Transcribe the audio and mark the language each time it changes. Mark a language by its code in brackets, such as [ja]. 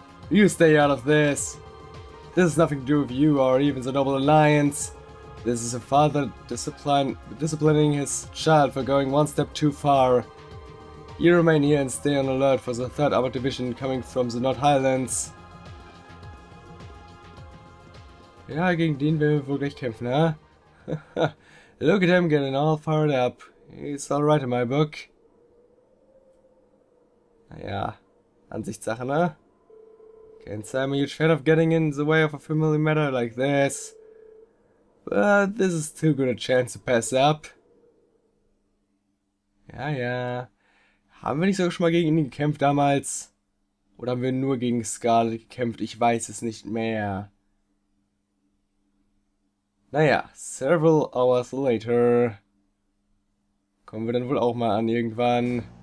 [en] You stay out of this. This has nothing to do with you or even the Noble Alliance. This is a father disciplining his child for going one step too far. You remain here and stay on alert for the 3rd Armored Division coming from the North Highlands. [de] Ja, gegen den werden wir wohl gleich kämpfen, ne? [en] Look at him getting all fired up. He's alright in my book. [de] Naja, Ansichtssache, ne? [en] Can't say I'm a huge fan of getting in the way of a family matter like this. But this is too good a chance to pass up. [de] Ja, ja. Haben wir nicht sogar schon mal gegen ihn gekämpft damals? Oder haben wir nur gegen Scarlet gekämpft? Ich weiß es nicht mehr. Naja, [en] several hours later. [de] Kommen wir dann wohl auch mal an irgendwann.